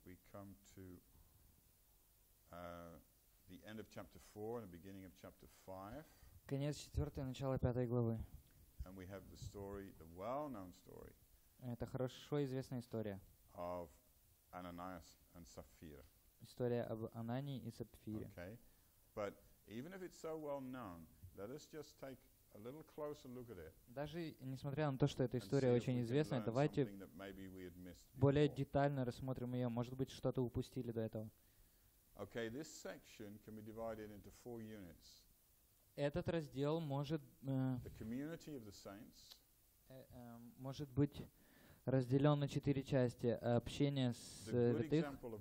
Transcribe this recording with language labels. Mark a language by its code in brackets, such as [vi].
[en] come to the end of chapter 4 and the beginning of chapter 5. [ru] Конец четвертой, начало пятой главы. [en] And we have the story, the well-known story. [ru] Это хорошо известная история. [en] Of Ananias and Sapphira. [ru] История об Анании и Сапфире. [en] Okay. But even if it's so well known, let us just take a little closer look at it. [ru] Даже несмотря на то, что эта история очень известная, давайте более детально рассмотрим ее. Может быть, что-то упустили до этого. [en] Okay, this section can be divided into four units. [ru] Этот раздел может [en] the community of the saints, [ru] может быть разделен на четыре части. Общение с святых.